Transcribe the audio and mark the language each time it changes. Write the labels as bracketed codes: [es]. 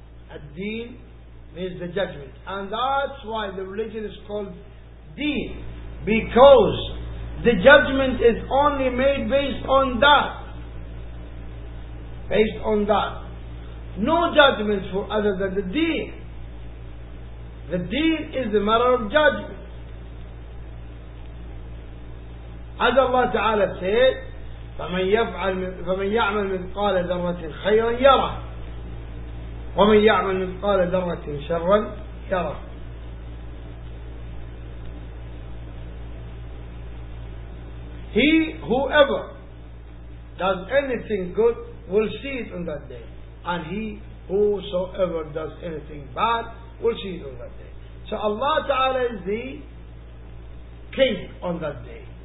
[en] الدين means the judgment. And that's why the religion is called deen, because the judgment is only made based on that. Based on that. No judgment for other than the deen. The deen is the matter of judgment. As Allah Ta'ala said, [ar] فَمَنْ يَعْمَلْ مِثْقَالَ ذَرَّةٍ خَيْرًا يَرَى وَمَنْ يَعْمَلْ مِثْقَالَ ذَرَّةٍ شَرًّا يَرَى. [en] He, whoever does anything good, will see it on that day. And he, whosoever does anything bad, will see it on that day. So Allah Ta'ala is the king on that day.